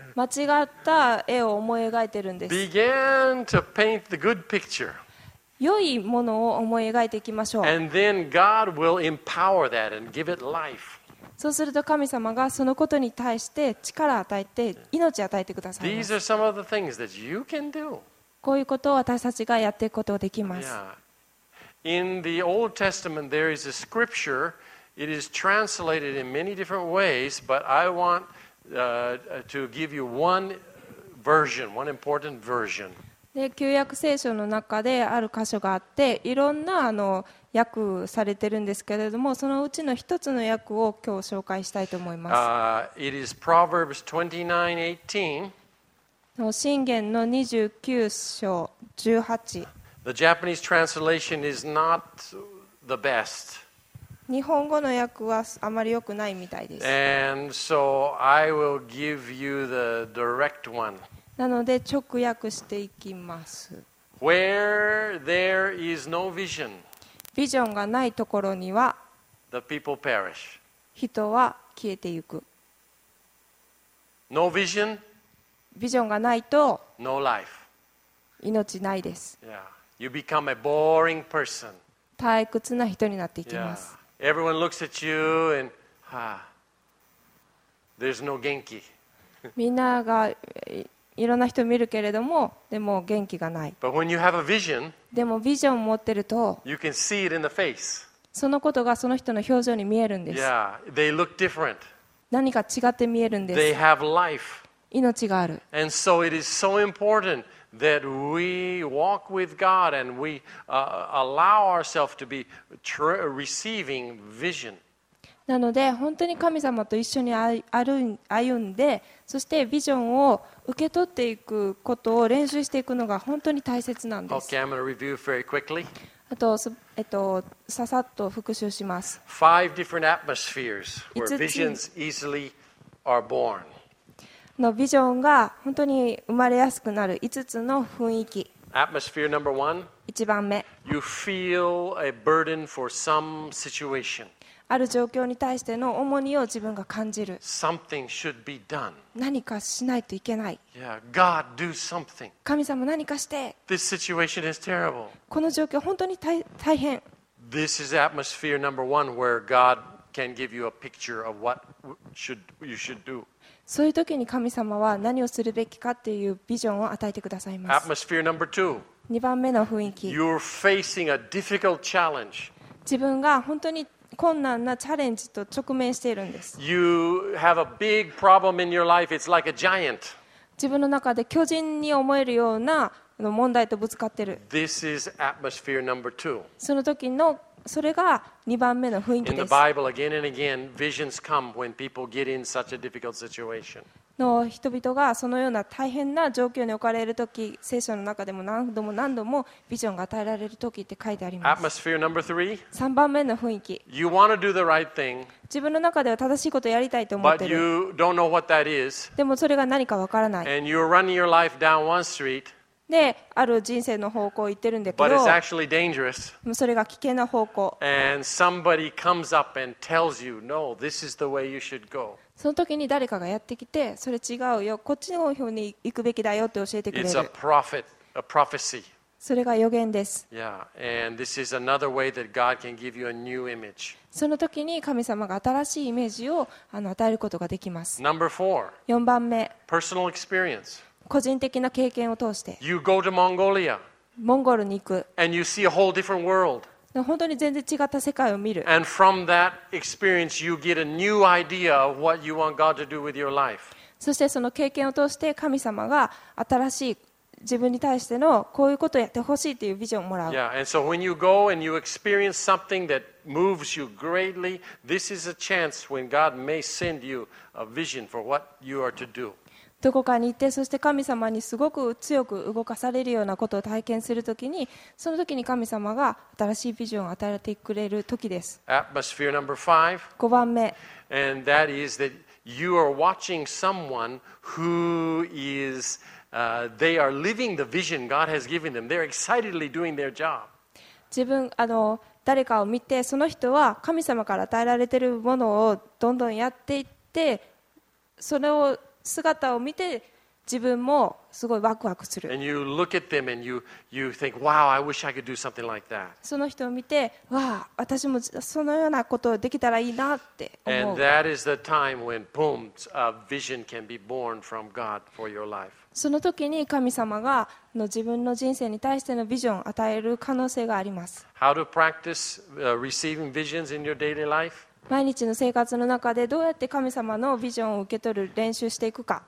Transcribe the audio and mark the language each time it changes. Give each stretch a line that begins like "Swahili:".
Japanese: 間違った絵を思い描いてるんです。
English: Begin to paint the good picture.
Japanese: 良いものを思い描いていきましょう。
English: And then God will empower that and give it life.
Japanese: そうすると神様がそのことに対して力を与えて命を与えてくださいます。
English: These are some of the things that you can do.
Japanese: こういうことを私たちがやっていくことができます。
English: In the Old Testament, there is a scripture. It is translated in many different ways, but I want to give you one version, one important version.
Japanese: で、旧約聖書の中である箇所があって、いろんな訳されてるんですけれども、そのうちの一つの訳を今日紹介したいと思います。
English: It is Proverbs 29:18.
Japanese: 箴言の29章18。
English: The Japanese translation is not the best.
Japanese: 日本語の訳はあまり良くないみたいです。
English: And so I will give you the direct one.
Japanese: なので直訳していきます。
English: Where there is no vision,
Japanese: ビジョンがないところには、
English: the people perish.
Japanese: 人は消えていく。
English: No vision,
Japanese: ビジョンがないと、
English: no life.
Japanese: 命ないです。
English: Yeah. You become a boring person.
Japanese: 退屈な人になっていきます。
English: Yeah. Everyone looks at you and, there's no 元気。
Japanese: みんながいろんな人を見るけれどもでも元気がない。
English: But when you have a vision,
Japanese: でもビジョンを持ってると
English: you can see it in the face.
Japanese: そのことがその人の表情に見えるんです。
English: Yeah, they look different.
Japanese: 何か違って見えるんです。
English: They have life.
Japanese: 命がある。
English: And so it is so important that we walk with God and we allow ourselves to be receiving vision.
Japanese: なので本当に神様と一緒に歩んでそしてビジョンを受け取っていくことを練習していくのが本当に大切なんです。
English: Okay, I'm going to review very quickly.
Japanese: あと、ささっと復習します。
English: Five different atmospheres where visions easily are born.
Japanese: のビジョンが本当に生まれやすくなる5つの雰囲気。
English: Atmosphere number one.
Japanese: 1番目。
English: You feel a burden for some situation.
Japanese: ある状況に対しての重荷を自分が感じる。
English: Something should be done.
Japanese: 何かしないといけない。
English: Yeah, God, do something.
Japanese: 神様何かして。
English: This situation is terrible.
Japanese: この状況本当に大変。
English: This is atmosphere number one where God can give you a picture of what you should do.
Japanese: そういう時に神様は何をするべきかっていうビジョンを与えてくださいます。
English: Atmosphere number two.
Japanese: 2番目の雰囲気。
English: You're facing a difficult challenge.
Japanese: 自分が本当に困難なチャレンジと直面しているんです。
English: You have a big problem in your life. It's like a giant.
Japanese: 自分の中で巨人に思えるような問題とぶつかっている。
English: This is atmosphere number two.
Japanese: その時のそれが2番目の雰囲気です。
English: In the Bible, again and again, visions come when people get in such a difficult situation.
Japanese: の人々がそのような大変な状況に置かれる時、聖書の中でも何度も何度もビジョンが与えられる時って書いてあります。
English: Atmosphere number three.
Japanese: 3番目の雰囲気。
English: You want to do the right thing.
Japanese: 自分の中では正しいことをやりたいと思っている。
English: But you don't know what that is.
Japanese: でもそれが何かわからない。
English: And you're running your life down one street.
Japanese: で、ある人生の方向を言ってるんだけど、
English: But it's actually dangerous.
Japanese: それが危険な方向。
English: And somebody comes up and tells you, no, this is the way you should go.
Japanese: その時に誰かがやってきて、それ違うよ、こっちの方に行くべきだよって教えてくれる。
English: It's a prophet, a prophecy.
Japanese: それが予言です。
English: Yeah, and this is another way that God can give you a new image.
Japanese: その時に神様が新しいイメージを与えることができます。
English: Number four.
Japanese: 4番目。
English: Personal experience.
Japanese: 個人的な経験を通して、
English: You go to Mongolia.
Japanese: モンゴルに行く。
English: And you see a whole different world.
Japanese: 本当に全然違った世界を見る。
English: And from that experience, you get a new idea of what you want God to do with your life.
Japanese: そしてその経験を通して、神様が新しい自分に対してのこういうことをやってほしいというビジョンをもらう。
English: Yeah, and so when you go and you experience something that moves you greatly, this is a chance when God may send you a vision for what you are to do.
Japanese: どこかに行って、そして神様にすごく強く動かされるようなことを体験するときに、そのときに神様が新しいビジョンを与えてくれるときです。
English: Atmosphere number five.
Japanese: 5番目。
English: And that is that you are watching someone who is, they are living the vision God has given them. They're excitedly doing their job.
Japanese: 自分、誰かを見て、その人は神様から与えられているものをどんどんやっていって、それを姿を見て自分もすごいワクワクする。
English: And you look at them and you think, wow, I wish I could do something like that.
Japanese: その人を見て、わあ、私もそのようなことをできたらいいなって思う。
English: And that is the time when, boom, a vision can be born from God for your life.
Japanese: その時に神様が自分の人生に対してのビジョンを与える可能性があります。
English: How to practice receiving visions in your daily life?
Japanese: 毎日の生活の中でどうやって神様のビジョンを受け取る練習していくか。